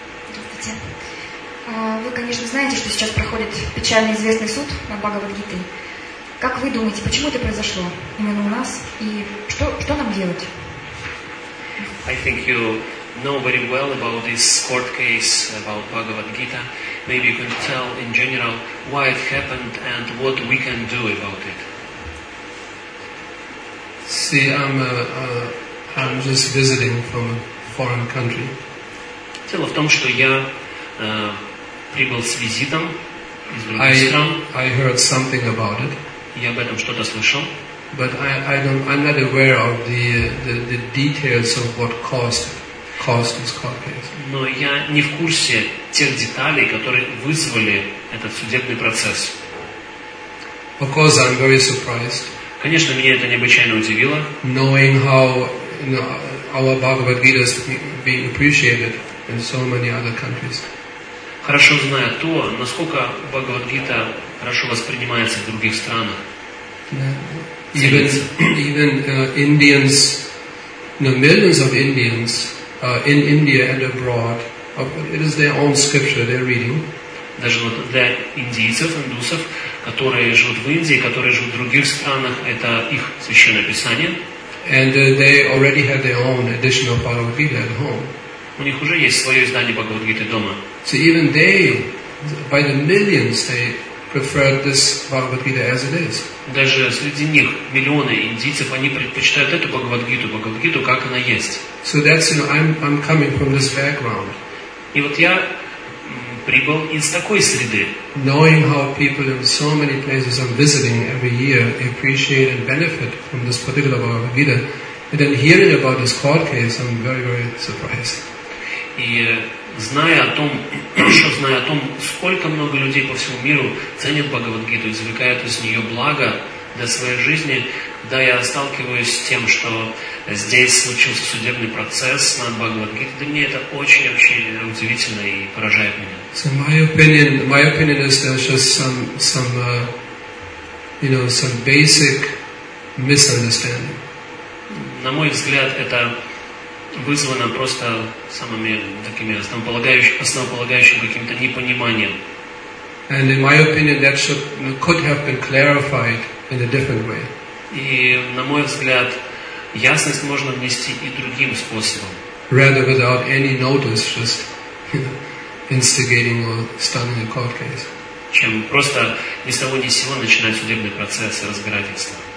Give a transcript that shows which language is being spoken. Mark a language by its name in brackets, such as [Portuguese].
[Russian] Здравствуйте. Вы, конечно, знаете, что сейчас проходит печально известный суд над Бхагавад-гитой. Как вы думаете, почему это произошло именно у нас? И что нам делать? [English] I think you know very well about this court case about Bhagavad Gita. Maybe you can tell in general why it happened and what we can do about it. See, I'm just visiting from a foreign country. [Russian] Дело в том, что я прибыл с визитом из других стран. [English] I heard something about it. [Russian] Я об этом что-то слышал. [English] But I'm not aware of the details of what caused this court case. [Russian] Но я не в курсе тех деталей, которые вызвали этот судебный процесс. [English] Of course, I'm very surprised. [Russian] Конечно, меня это необычайно удивило. [English] Knowing how our Bhagavad Gita is being appreciated in so many other countries. [Russian] Хорошо зная то, насколько Бхагавад Гита хорошо воспринимается в других странах. [English] Indians, no, millions of Indians in India and abroad, it is their own scripture they're reading. [Russian] Даже вот для индийцев, индусов, которые живут в Индии, которые живут в других странах, это их священное писание. [English] And they already have their own additional Bhagavad Gita at home. [Russian] У них уже есть свое издание Бхагавад Гиты дома. [English] So even they, by the millions, they prefer this Bhagavad Gita as it is. [Russian] Даже среди них миллионы индийцев, они предпочитают эту Бхагавад Гиту, как она есть. [English] So that's, you know, I'm coming from this background. [Russian] И вот я прибыл из такой среды. [English] Knowing how people in so many places I'm visiting every year appreciate and benefit from this particular Bhagavad Gita, and then hearing about this court case, I'm very, very surprised. [Russian] И зная о том, сколько много людей по всему миру ценят Бхагавад-гиту, извлекают из нее благо для своей жизни, когда я сталкиваюсь с тем, что здесь случился судебный процесс над Бхагавад-гитой, для меня это очень-очень удивительно и поражает меня. [English] So my opinion is there's just some basic misunderstanding. [Russian] На мой взгляд, это вызвано просто самыми такими основополагающими каким-то непониманием. [English] And in my opinion, that could have been clarified in a different way. [Russian] И на мой взгляд, ясность можно внести и другим способом. [English] Rather without any notice, just, you know, instigating or starting a court case. [Russian] Чем просто ни с того ни с сего начинать судебный процесс и разбирательство.